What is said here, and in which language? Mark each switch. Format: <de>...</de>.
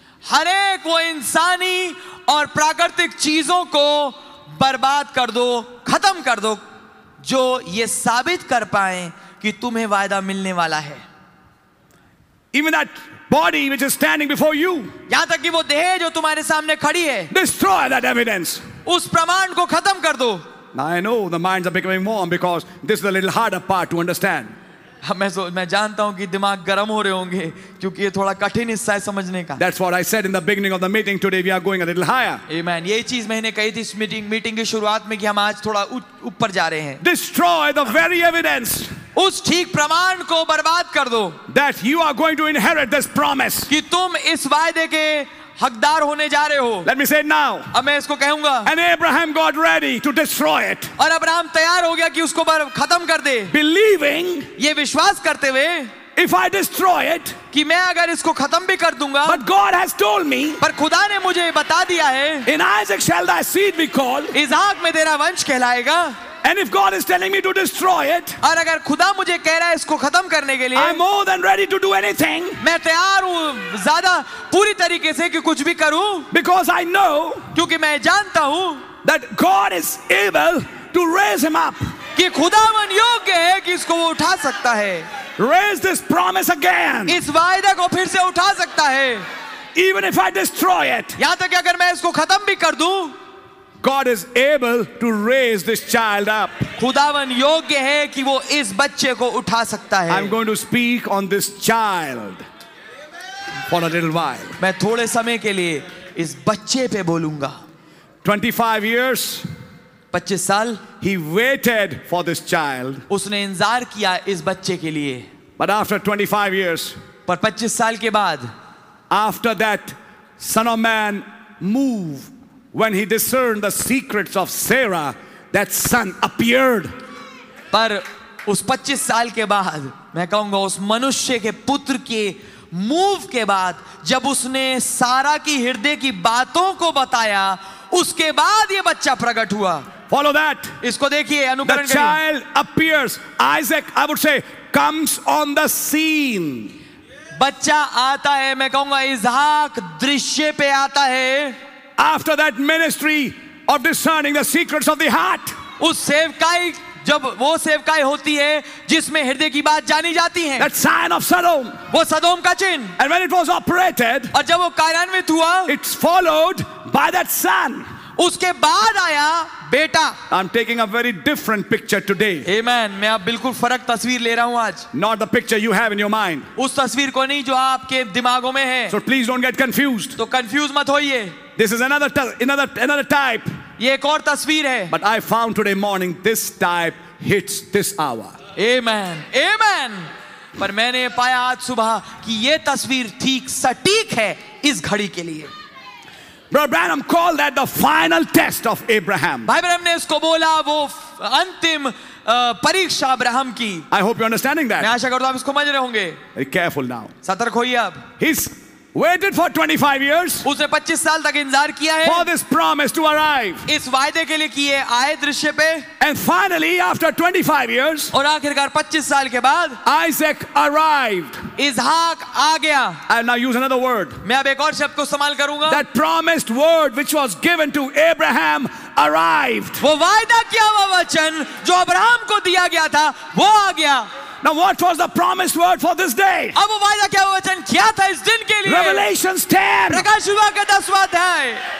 <hi>हर एक वो इंसानी और प्राकृतिक चीजों को बर्बाद कर दो खत्म कर दो जो ये साबित कर पाए कि तुम्हें वायदा मिलने वाला है.</hi> <en>Even that body which is standing before you.</en> <hi>यहाँ तक कि वो देह जो तुम्हारे सामने खड़ी है.</hi> <en>Destroy that evidence.</en> <hi>उस प्रमाण को खत्म कर दो.</hi> <en>Now I know the minds are becoming warm because this is a little harder part to understand.</en> <hi>मैं जानता हूँ कि दिमाग गर्म हो रहे होंगे क्योंकि ये थोड़ा कठिन हिस्सा है समझने का.</hi> <en>That's what I said in the beginning of the meeting. Today we are going a little higher. Amen.</en> <hi>ये चीज़ मैंने कही थी इस meeting की शुरुआत में कि हम आज थोड़ा ऊपर जा रहे हैं.</hi> <en>Destroy the very evidence.</en> <hi>उस ठीक प्रमाण को बर्बाद कर दो.</hi> <en>That you are going to inherit this promise.</en> <hi>कि तुम इस वायदे के हकदार होने जा रहे हो.</hi> <en>Let me say it now.</en> <hi>अब मैं इसको कहूंगा.</hi> <en>And Abraham got ready to destroy it.</en> <hi>और अब्राहम तैयार हो गया कि उसको खत्म कर दे.</hi> <en>Believing.</en> <hi>ये विश्वास करते हुए.</hi> <en>If I destroy it.</en> <hi>कि मैं अगर इसको खत्म भी कर दूंगा.</hi> <en>But God has told me.</en> <hi>पर खुदा ने मुझे बता दिया है.</hi> <en>In Isaac shall thy seed be called.</en> <hi>इसहाक में तेरा वंश कहलाएगा.</hi> <en>And if God is telling me to destroy it,</en> <hi>और अगर खुदा मुझे कह रहा है इसको खत्म करने के लिए,</hi> <en>I'm more than ready to do anything.</en> <hi>मैं तैयार हूँ ज़्यादा पूरी तरीके से कि कुछ भी करूँ.</hi> <en>Because I know,</en> <hi>क्योंकि मैं जानता हूँ,</hi> <en>that God is able to raise him up.</en> <hi>कि खुदावन योग्य है कि इसको वो उठा सकता है.</hi> <en>Raise this promise again.</en> <hi>इस वायदे को फिर से उठा सकता है.</hi> <en>Even if I destroy it.</en> <hi>यहाँ तक अगर मैं इसको खत्म भी कर दूँ.</hi> <en>God is able to raise this child up.</en> <hi>खुदावन योग्य है कि वो इस बच्चे को उठा सकता है.</hi> <en>I'm going to speak on this child for a little while.</en> <hi>मैं थोड़े समय के लिए इस बच्चे पे बोलूंगा.</hi> <en>25 years.</en> <hi>25 साल.</hi> <en>he waited for this child.</en> <hi>उसने इंतजार किया इस बच्चे के लिए.</hi> <en>But after 25 years, पर 25 साल के बाद, after that, Son of Man moved when he discerned the secrets of Sarah. That son appeared.</en> <hi>पर उस 25 साल के बाद, मैं कहूँगा उस मनुष्य के पुत्र के मूव के बाद, जब उसने सारा की हृदय की बातों को बताया, उसके बाद ये बच्चा प्रकट हुआ.</hi> <en>Follow that.</en> <hi>इसको देखिए अनुकरण करिए.</hi> <en>The child appears. Isaac, I would say, comes on the scene.</en> <hi>बच्चा आता है, मैं कहूँगा इज़ाक दृश्य पे आता है.</hi> <en>After that ministry of discerning the secrets of the heart.</en> <hi>उस सेवकाई जब वो सेवकाई होती है जिसमें हृदय की बात जानी जाती है.</hi> <en>That sign of Sodom.</en> <hi>वो सदोम का चिन्ह.</hi> <en>And when it was operated.</en> <hi>और जब वो कार्यान्वित हुआ.</hi> <en>It's followed by that son.</en> <hi>उसके बाद आया बेटा.</hi> <en>I'm taking a very different picture today. Amen.</en> <hi>मैं अब बिल्कुल फर्क तस्वीर ले रहा हूँ आज.</hi> <en>Not the picture you have in your mind.</en> <hi>उस तस्वीर को नहीं जो आपके दिमागों में है.</hi> <en>So please don't get confused.</en> <hi>तो कंफ्यूज मत होइए.</hi> <en>This is another type.</en> <hi>ये एक और तस्वीर है.</hi> <en>But I found today morning this type hits this hour. Amen. Amen.</en> <hi>पर मैंने पाया आज सुबह कि ये तस्वीर ठीक सटीक है इस घड़ी के लिए.</hi> <en>Brother Branham called that the final test of Abraham.</en> <hi>भाई ब्रह्म ने इसको बोला वो अंतिम परीक्षा अब्राहम की.</hi> <en>I hope you're understanding that.</en> <hi>मैं आशा करता हूँ आप इसको समझ रहे होंगे.</hi> <en>Be careful now.</en> <hi>सतर्क होइए अब.</hi> <en>He's waited for 25 years.</en> <hi>उसने 25 साल तक इंतजार किया है.</hi> <en>For this promise to arrive.</en> <hi>इस वायदे के लिए किए आए दृश्य पे.</hi> <en>And finally, after 25 years.</en> <hi>और आखिरकार 25 साल के बाद.</hi> <en>Isaac arrived.</en> <hi>इसहाक आ गया.</hi> <en>I'll now use another word.</en> <hi>मैं अब एक और शब्द को इस्तेमाल करूंगा.</hi> <en>That promised word which was given to Abraham arrived.</en> <hi>वो वायदा किया हुआ वचन जो अब्राहम को दिया गया था वो आ गया.</hi> <en>Now what was the promised word for this day?</en> <hi>अब वो वायदा क्या वचन क्या था इस दिन के लिए?</hi> <en>Revelation 10.</en> <hi>प्रकाश सुबह का 10वां अध्याय.</hi>